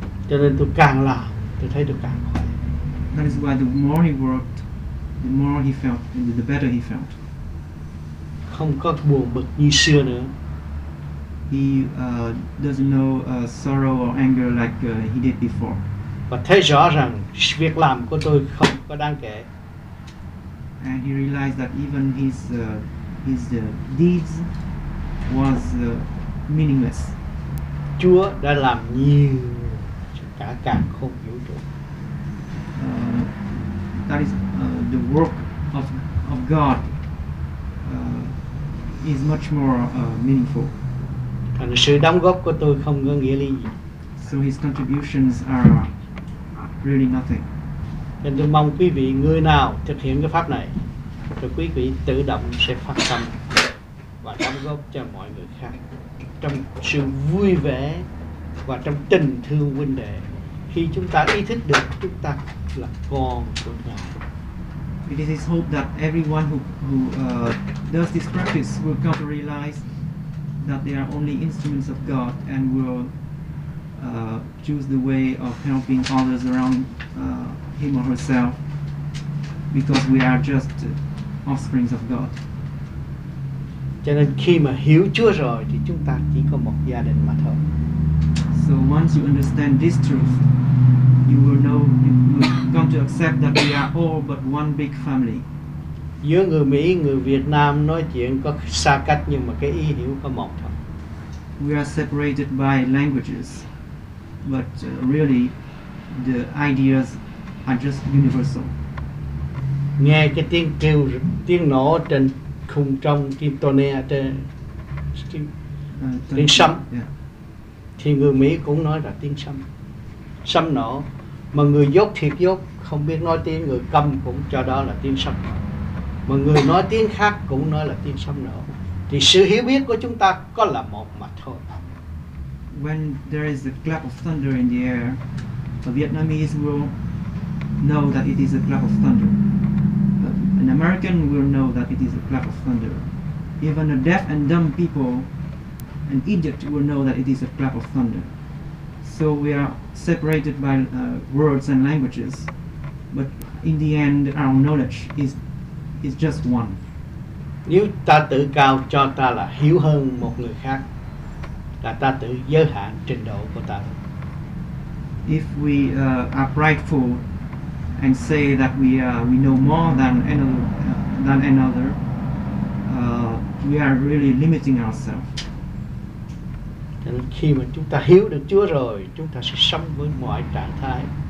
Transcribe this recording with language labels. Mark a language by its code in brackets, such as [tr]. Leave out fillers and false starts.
[vi] Cho nên tôi càng làm, tôi thấy tôi càng khỏe. [en] That is why the more he worked, the more he felt, and the better he felt. [vi] Không có buồn bực như xưa nữa. [en] He doesn't know sorrow or anger like he did before. [vi] Và thấy rõ rằng việc làm của tôi không có đáng kể. [en] And he realized that even his deeds was meaningless. [vi] Chúa đã làm nhiều cho cả càn khôn vũ trụ. [en] That is the work of God is much more meaningful. [vi] Thành sự đóng góp của tôi không có nghĩa lý gì. [en] So his contributions are really nothing. [vi] Nên tôi mong quý vị người nào thực hiện cái pháp này, rồi quý vị tự động sẽ phát tâm và đóng góp cho mọi người khác trong sự vui vẻ và trong tình thương huynh đệ. Khi chúng ta ý thức được chúng ta là con của Ngài. [en] It is his hope that everyone who does this practice will come to realize that they are only instruments of God and will choose the way of helping others around him or herself because we are just offsprings of God. [vi] Cho nên khi mà hiểu Chúa rồi thì chúng ta chỉ có một gia đình mà thôi. [en] So once you understand this truth, you will know, you will come to accept that we are all but one big family. [vi] Giữa người Mỹ, người Việt Nam nói chuyện có xa cách nhưng mà cái ý hiểu có một thôi. [en] We are separated by languages, but really the ideas are just universal. [vi] Nghe cái tiếng kêu, tiếng nổ trên khung trong kim tone trên tiếng sấm, thì người Mỹ cũng nói là tiếng sấm, sấm nổ. Mà người dốt thiệt dốt không biết nói tiếng, người câm cũng cho đó là tiếng sấm. Mà người nói tiếng khác cũng nói là tiếng sấm nổ. Thì sự hiểu biết của chúng ta có là một mà thôi. [en] When there is a clap of thunder in the air, a Vietnamese will know that it is a clap of thunder. But an American will know that it is a clap of thunder. Even a deaf and dumb people, an idiot will know that it is a clap of thunder. So we are separated by words and languages, but in the end, our knowledge is just one. [vi] Nếu ta tự cao cho ta là hiểu hơn một người khác, là ta tự giới hạn trình độ của ta. [en] If we are prideful and say that we know more than another, we are really limiting ourselves. [vi] Thế nên khi mà chúng ta hiểu được Chúa rồi, chúng ta sẽ sống với mọi trạng thái.